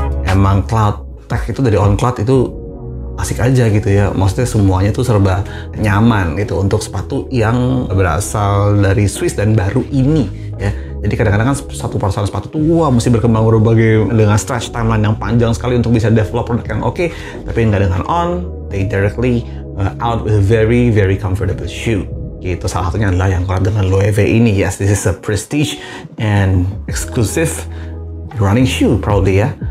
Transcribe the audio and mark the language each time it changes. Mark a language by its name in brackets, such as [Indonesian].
[Indonesian] Emang cloud tech itu dari On Cloud itu asik aja gitu ya. Maksudnya semuanya tuh serba nyaman gitu untuk sepatu yang berasal dari Swiss dan baru ini ya. Jadi kadang-kadang kan satu perusahaan sepatu tuh wah mesti berkembang berbagai dengan stretch timeline yang panjang sekali untuk bisa develop produk yang oke. Tapi nggak dengan On, [English] they directly out with a very very comfortable shoe. [Indonesian] Gitu, salah satunya adalah yang collab dengan Loewe ini. [English] Yes, this is a prestige and exclusive running shoe probably [Indonesian] ya.